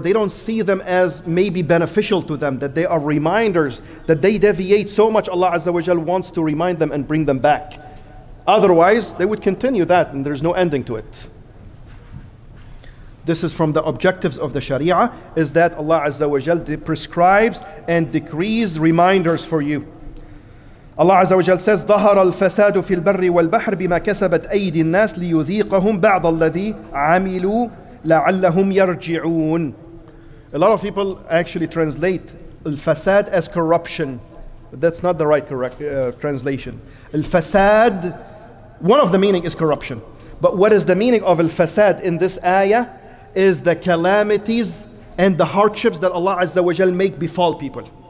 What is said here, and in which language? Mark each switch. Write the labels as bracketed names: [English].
[English] They don't see them as maybe beneficial to them, that they are reminders, that they deviate so much, Allah Azza wa Jal wants to remind them and bring them back. Otherwise, they would continue that and there's no ending to it. This is from the objectives of the Sharia, is that Allah Azza wa Jal prescribes and decrees reminders for you. Allah Azza wa Jal says, [Arabic] ظَهَرَ الْفَسَادُ فِي الْبَرِّ وَالْبَحْرِ بِمَا كَسَبَتْ أَيْدِ النَّاسِ لِيُذِيقَهُمْ بَعْضَ الَّذِي عَمِلُوا لَعَلَّهُمْ يَرْجِعُونَ. [English] A lot of people actually translate الفساد as corruption. That's not the right translation. الفساد, one of the meaning is corruption. But what is the meaning of al-fasad in this ayah is the calamities and the hardships that Allah Azza wa Jal make befall people.